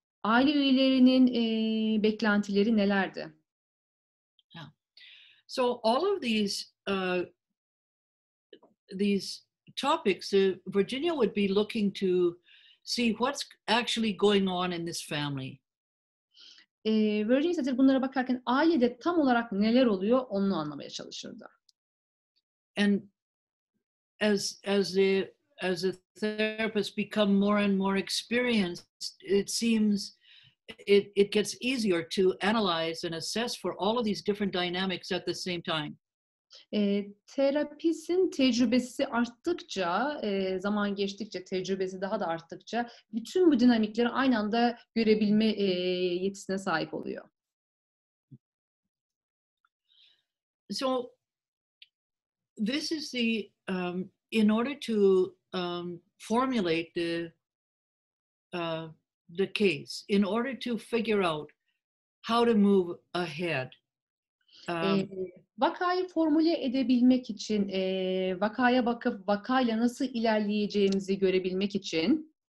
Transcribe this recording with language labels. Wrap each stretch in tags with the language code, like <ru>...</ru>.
<tr>Aile üyelerinin beklentileri nelerdi? Yeah.</tr> <en>So all of these topics, Virginia would be looking to see what's actually going on in this family.</en> <tr>Virginia Satir bunlara bakarken ailede tam olarak neler oluyor onu anlamaya çalışırdı.</tr> <en>And as a therapist become more and more experienced, it seems it gets easier to analyze and assess for all of these different dynamics at the same time.</en> <tr>Terapistin tecrübesi arttıkça, zaman geçtikçe tecrübesi daha da arttıkça bütün bu dinamikleri aynı anda görebilme yetisine sahip oluyor.</tr> <en>So this is the in order to formulate the case, in order to figure out how to move ahead.</en> <tr>Vakayı formüle edebilmek için, vakaya bakıp vakayla nasıl ilerleyeceğimizi görebilmek için.</tr>